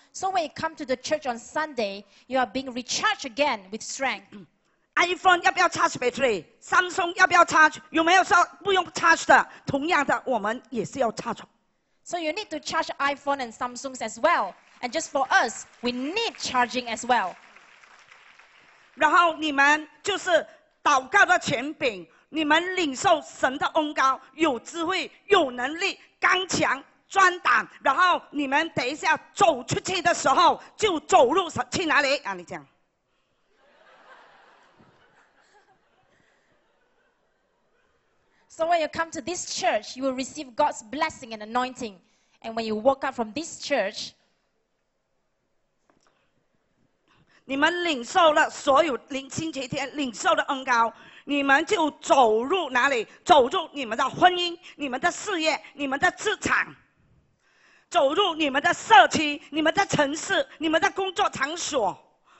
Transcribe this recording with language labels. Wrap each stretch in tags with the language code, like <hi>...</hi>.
<en>So when you come to the church on Sunday, you are being recharged again with strength.</en> <zh>iPhone 要不要</zh> <en>charge battery?</en> <zh>Samsung 要不要 charge? 有没有说不用 charge 的？同样的，我们也是要 charge。</zh> <en>So you need to charge iPhone and Samsungs as well. And just for us, we need charging as well.</en> <zh>然后你们就是祷告的权柄，你们领受神的恩膏，有智慧，有能力，刚强，壮胆。然后你们等一下走出去的时候，就走入去哪里啊？你讲。</zh> <en>So when you come to this church, you will receive God's blessing and anointing. And when you walk out from this church,</en> <zh>你们领受了所有灵星期天领受的恩膏，你们就走入哪里？走入你们的婚姻、你们的事业、你们的职场，走入你们的社区、你们的城市、你们的工作场所。</zh>